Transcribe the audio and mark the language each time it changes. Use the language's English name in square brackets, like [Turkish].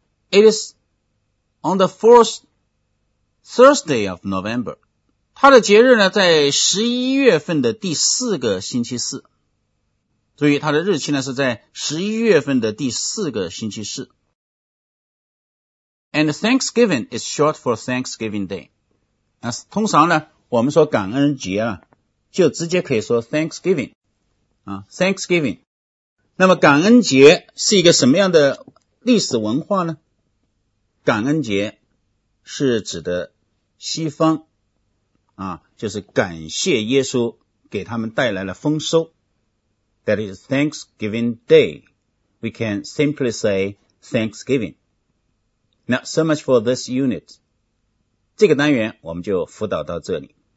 [English] It is on the fourth Thursday of November. [Chinese] 它的节日呢在11月份的第四个星期四。注意它的日期呢是在11月份的第四个星期四。 [English] And Thanksgiving is short for Thanksgiving Day. [Chinese] 那通常呢我们说感恩节啊就直接可以说 Thanksgiving, 啊 ,Thanksgiving。那么感恩节是一个什么样的历史文化呢感恩节是指的西方啊就是感谢耶稣给他们带来了丰收。 [English] That is Thanksgiving Day. We can simply say Thanksgiving. Now, so much for this unit. [Chinese] 这个单元我们就辅导到这里。